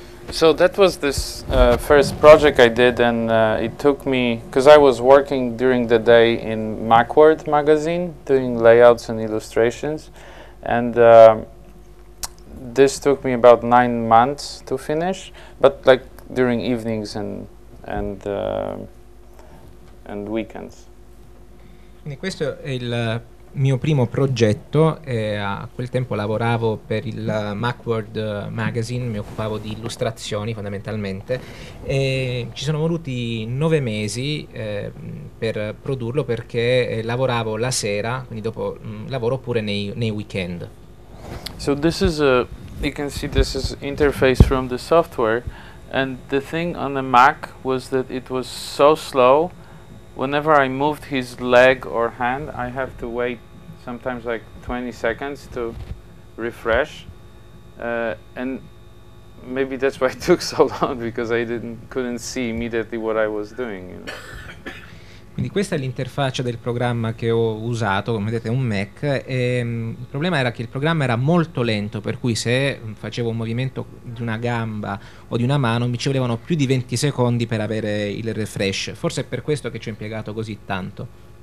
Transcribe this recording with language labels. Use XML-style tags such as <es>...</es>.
<en>So that was this first project I did, and it took me, because I was working during the day in Macworld magazine doing layouts and illustrations, and this took me about 9 months to finish, but like during evenings and weekends.</en> <it>Quindi questo è il mio primo progetto, e a quel tempo lavoravo per il Macworld magazine, mi occupavo di illustrazioni fondamentalmente, e ci sono voluti 9 mesi per produrlo, perché lavoravo la sera, quindi dopo lavoro, oppure nei weekend.</it> <en>So this is a, you can see this is interface from the software, and the thing on the Mac was that it was so slow. Whenever I moved his leg or hand, I have to wait sometimes like 20 seconds to refresh. And maybe that's why it took so long, because I couldn't see immediately what I was doing. You know?</en> <it>Quindi questa è l'interfaccia del programma che ho usato, come vedete un Mac, e il problema era che il programma era molto lento, per cui se facevo un movimento di una gamba o di una mano mi ci volevano più di 20 secondi per avere il refresh. Forse è per questo che ci ho impiegato così tanto.</it>